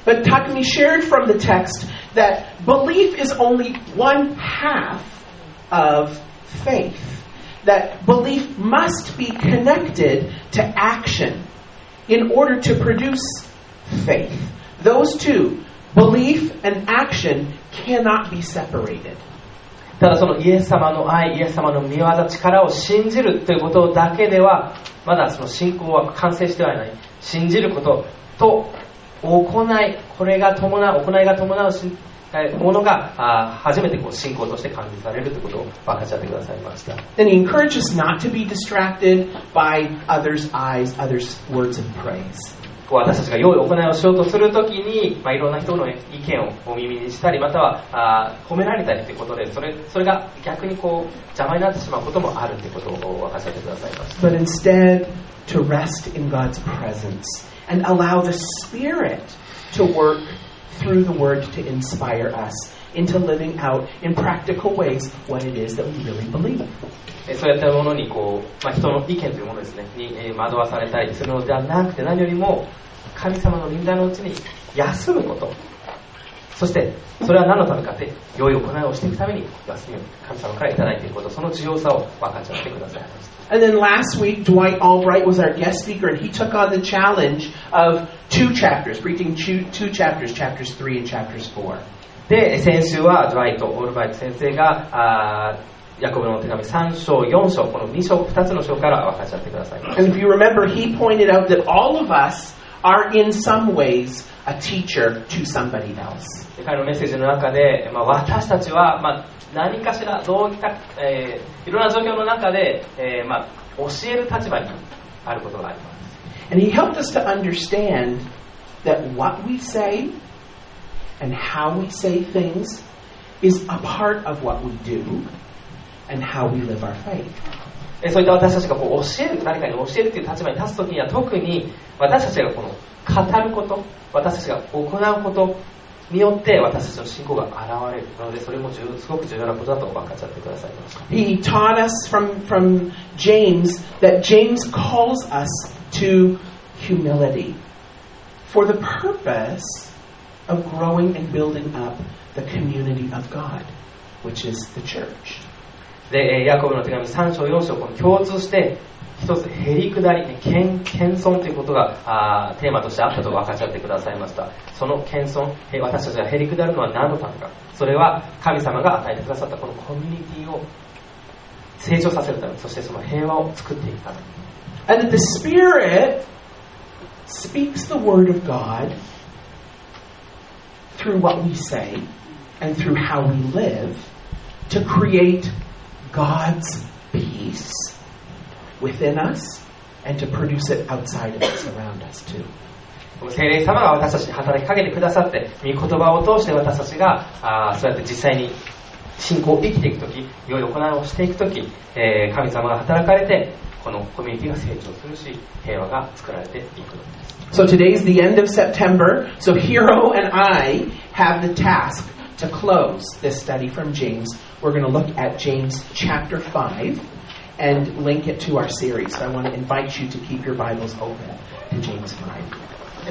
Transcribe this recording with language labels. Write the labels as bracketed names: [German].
[English] But Takumi shared from the text that belief is only one half of faith that belief must be connected to actionin order to produce faith. Those two, belief and action, cannot be separated. [Japanese] ただそのイエス様の愛、イエス様の御業、力を信じるということだけでは、まだその信仰は完成してはいない。信じることと行い、これが伴う、行いが伴うし、ものが初めてこう信仰として感じされるということを分かち合ってくださいました。 [English] Then he encourages us not to be distracted by others' eyes, others' words of praise. [Japanese] 私たちが良い行いをしようとするときに、まあ、いろんな人の意見をお耳にしたり、または褒められたりということで、それが逆にこう邪魔になってしまうこともあるということを分かち合ってくださいました。 [English] But instead, to rest in God's presence and allow the Spirit to workthrough the word to inspire us into living out in practical ways what it is that we really believe in. [Japanese] そういったものにこう、まあ、人の意見というものですね、に惑わされたりするのではなくて、何よりも神様の臨在のうちに休むこと。そして、それは何のためかって、良い行いをしていくために休みを神様からいただいていること、その重要さを分かち合ってください。 [English] And then last week, Dwight Albright was our guest speaker, and he took on the challenge of two chapters, preaching two chapters, chapters 3 and chapters 4. [Japanese] で、先週はドワイト・オールバイト先生が、ヤコブの手紙3章、4章、この2章、2つの章から分かち合ってください。 [English] And if you remember, he pointed out that all of us are in some ways a teacher to somebody else. [Japanese] 彼のメッセージの中で、まあ、私たちは、まあ何かしらどういった、いろんな状況の中で、まあ、教える立場にあることがあります。 [English] And he helped us to understand that what we say and how we say things is a part of what we do and how we live our faith. [Japanese] そういった私たちがこう教える誰かに教えるという立場に立つときには特に私たちがこの語ること、私たちが行うこと。によって私たちの信仰が現れるのでそれもすごく重要なことだと分かっちゃってくださいました。 [English] He taught us from James that James calls us to humility for the purpose of growing and building up the community of God, which is the church. [Japanese] で、ヤコブの手紙3章4章を共通して一つ、へりくだり、謙遜ということがテーマとしてあったと分かち合ってくださいました。その謙遜、私たちがへりくだるのは何のためか。それは神様が与えてくださったこのコミュニティを成長させるため、そしてその平和を作っていくため。 [English] And the Spirit speaks the word of God through what we say and through how we live to create God's peace. Within us and to produce it outside of us around us too. [Japanese] 聖霊様が私たちに働きかけてくださって、御言葉を通して私たちがそうやって実際に信仰を生きていくとき、良い行いをしていくとき、神様が働かれて、このコミュニティが成長するし、平和が作られていくのです。 [English] So today is the end of September, so Hiro and I have the task to close this study from James. We're going to look at James chapter 5. And link it to our series. So I want to invite you to keep your Bibles open in James 5.